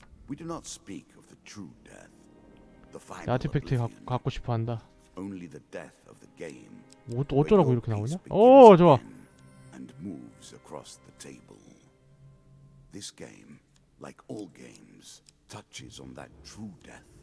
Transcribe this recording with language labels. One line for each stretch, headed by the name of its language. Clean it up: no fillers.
English: We do not speak of the true death. The final.
Korean: 아티팩트 갖고 싶어 한다.
English: Only the death of the game.
Korean: 어쩌라고 이렇게 나오냐? 오, 좋아.
English: And moves across the table. This game, like all games, touches on that true death.